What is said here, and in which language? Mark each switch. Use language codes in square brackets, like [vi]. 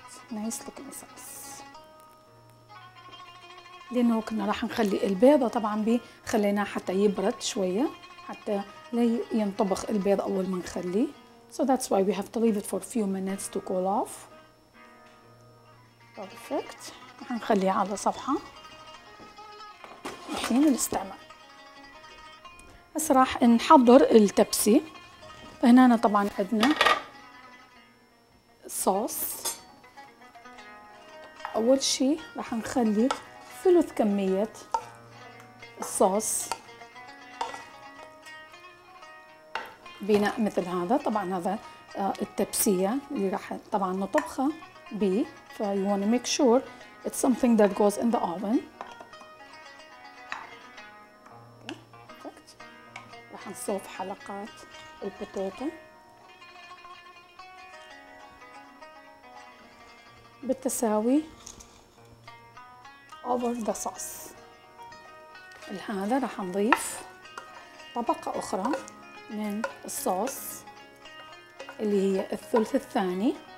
[en] Nice looking sauce. [ar] لأنه كنا راح نخلي البيضة طبعا بي خليناه حتى يبرد شوية حتى لا ينطبخ البيض أول ما نخليه. [en] So that's why we have to leave it for few minutes to cool off. Perfect. [ar] هنخليه على صفحة الحين نستعمل. بس راح نحضر التبسي. فهنا أنا طبعا عندنا صوص. أول شي راح نخلي ثلث كمية الصوص بناء مثل هذا. طبعا هذا التبسية اللي راح طبعا نطبخه بي. [en] So you want to make sure it's something that goes in the oven. Okay, perfect. [ar] راح نصوف حلقات البوتيتو بالتساوي [en] over the sauce. [ar] لهذا راح نضيف طبقة أخرى من الصوص اللي هي الثلث الثاني.